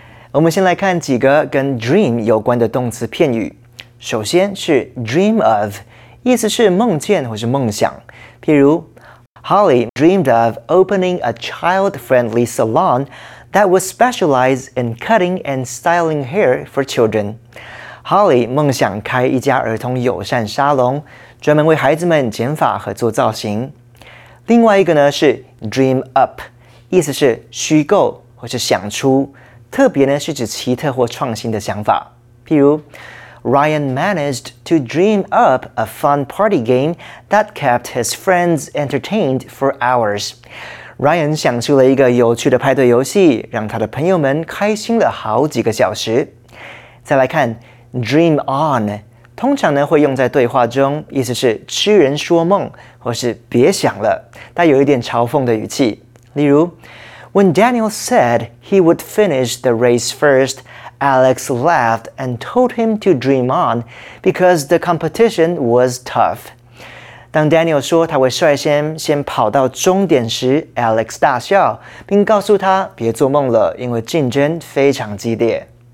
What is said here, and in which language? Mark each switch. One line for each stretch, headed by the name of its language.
Chinese: 我们先来看几个跟 dream 有关的动词片语。首先是 dream of, 意思是梦见或是梦想。譬如
English: Holly dreamed of opening a child-friendly salon that would specialize in cutting and styling hair for children.
Chinese: Holly 梦想开一家儿童友善沙龙，专门为孩子们剪发和做造型。另外一个呢是 dream up, 意思是虚构或是想出，特别呢是指奇特或创新的想法。譬如
English: Ryan managed to dream up a fun party game that kept his friends entertained for hours.
Chinese: Ryan 想出了一个有趣的派对游戏，让他的朋友们开心了好几个小时。再来看 dream on,通常呢会用在对话中，意思是痴人说梦或是别想了，带有一点嘲讽的语气。例如
English: When Daniel said he would finish the race first, Alex laughed and told him to dream on because the competition was tough.
Chinese: 当 Daniel 说他会率先跑到终点时， Alex 大笑并告诉他别做梦了，因为竞争非常激烈。